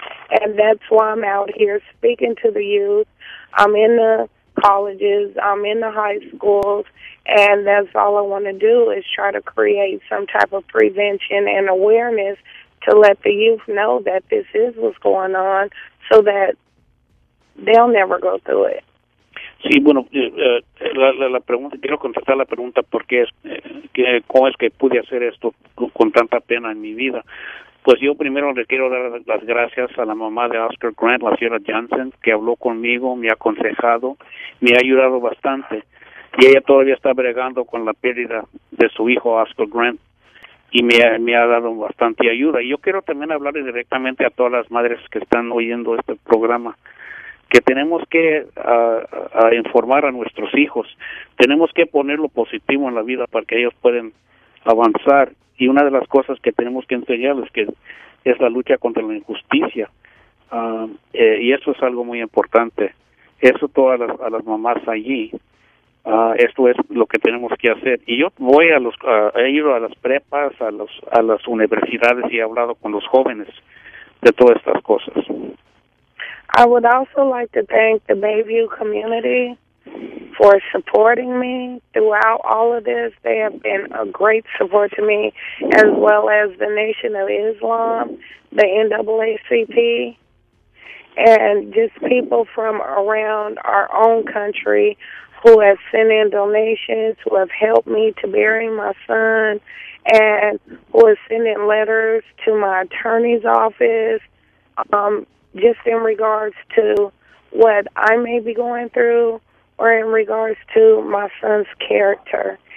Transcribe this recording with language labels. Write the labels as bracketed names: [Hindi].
[English] And that's why I'm out here speaking to the youth. I'm in the colleges. I'm in the high schools. And that's all I want to do is try to create some type of prevention and awareness to let the youth know that this is what's going on so that they'll never go through it. [Spanish] Sí, bueno, la pregunta, quiero contestar la pregunta porque es, ¿cómo es que pude hacer esto con tanta pena en mi vida? Pues yo primero le quiero dar las gracias a la mamá de Oscar Grant, la señora Johnson, que habló conmigo, me ha aconsejado, me ha ayudado bastante. Y ella todavía está bregando con la pérdida de su hijo Oscar Grant. Y me ha dado bastante ayuda. Y yo quiero también hablar directamente a todas las madres que están oyendo este programa, que tenemos que informar a nuestros hijos. Tenemos que poner lo positivo en la vida para que ellos puedan avanzar. Y una de las cosas que tenemos que enseñarles que es la lucha contra la injusticia. Y eso es algo muy importante. Eso todas a las mamás allí. Esto es lo que tenemos que hacer. Y yo voy a los he ido a las prepas, a las universidades y he hablado con los jóvenes de todas estas cosas. [English] I would also like to thank the Bayview community for supporting me throughout all of this. They have been a great support to me, as well as the Nation of Islam, the NAACP, and just people from around our own country who have sent in donations, who have helped me to bury my son, and who have sent in letters to my attorney's office, just in regards to what I may be going through or in regards to my son's character.